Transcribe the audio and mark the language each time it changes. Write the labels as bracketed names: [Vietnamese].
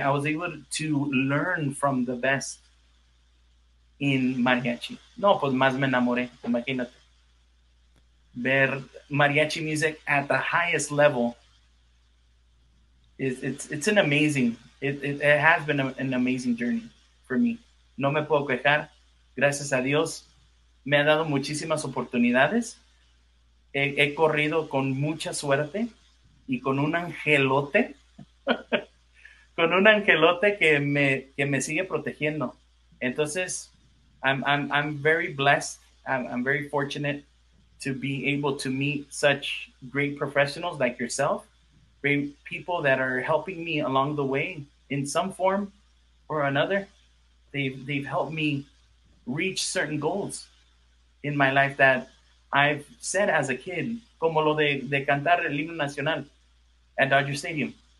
[English] I was able to learn from the best in mariachi. No, pues más me enamoré, imagínate. Ver mariachi music at the highest level, it's an amazing, it has been an amazing journey for me. [Spanish] No me puedo quejar. Gracias a Dios, me ha dado muchísimas oportunidades. He corrido con mucha suerte y con un angelote, con un angelote que me sigue protegiendo. [English] Entonces, I'm very blessed. I'm very fortunate to be able to meet such great professionals like yourself, great people that are helping me along the way in some form or another, they've helped me reach certain goals in my life that I've said as a kid, como lo de cantar el himno nacional at Dodger Stadium.